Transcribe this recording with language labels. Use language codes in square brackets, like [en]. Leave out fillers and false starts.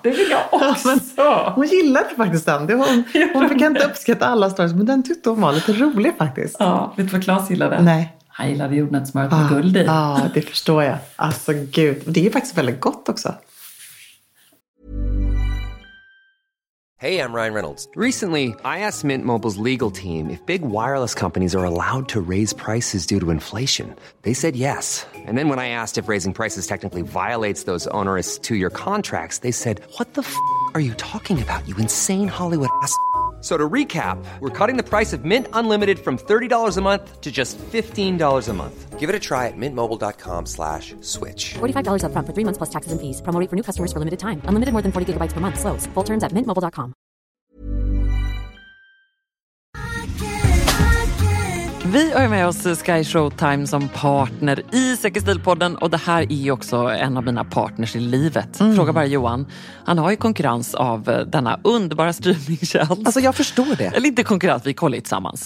[sv] Det vill jag också. Ja, hon gillade faktiskt den. Hon fick inte uppskatta alla stories, men den tyckte hon var lite rolig faktiskt. Ja, vet du vad Klas gillade? Nej. Han gillade jordnötssmöret med guld i. Ja, det förstår jag. Alltså gud, det är ju faktiskt väldigt gott också. [en] Hey, I'm Ryan Reynolds. Recently, I asked Mint Mobile's legal team if big wireless companies are allowed to raise prices due to inflation. They said yes. And then when I asked if raising prices technically violates those onerous two-year contracts, they said, what the f*** are you talking about, you insane Hollywood ass f***? So to recap, we're cutting the price of Mint Unlimited from $30 a month to just $15 a month. Give it a try at mintmobile.com/switch. $45 up front for 3 months plus taxes and fees. Promo rate for new customers for limited time. Unlimited more than 40 gigabytes per month. Slows full terms at mintmobile.com. [sv] Vi har med oss Sky Showtime som partner i Säker Stilpodden, och det här är ju också en av mina partners i livet. Mm. Fråga bara Johan. Han har ju konkurrens av denna underbara streamingtjänst. Alltså jag förstår det. Eller inte konkurrens, vi kollar ju tillsammans.